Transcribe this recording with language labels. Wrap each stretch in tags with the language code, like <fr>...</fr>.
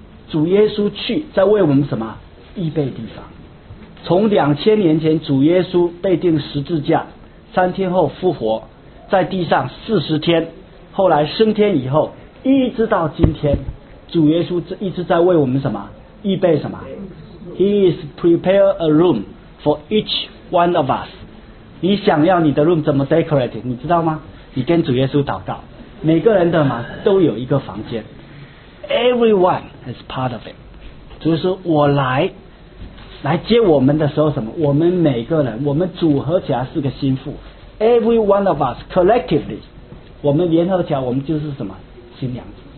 <zh>主耶稣去在为我们什么预备地方。从2000年前主耶稣被钉十字架，三天后复活，在地上40天，后来升天以后，一直到今天，主耶稣一直在为我们什么预备什么。</zh> <en>He is prepare a room for each one of us。</en> <zh>你想要你的 room 怎么 decorate 你知道吗？你跟主耶稣祷告，每个人的嘛都有一个房间，</zh> <en>Everyone is part of it。</en> <zh>主耶稣我来来接我们的时候，什么？我们每个人，我们组合起来是个心腹。</zh> <en>Every one of us collectively，</en> <zh>我们联合起来，我们就是什么新娘子。</zh>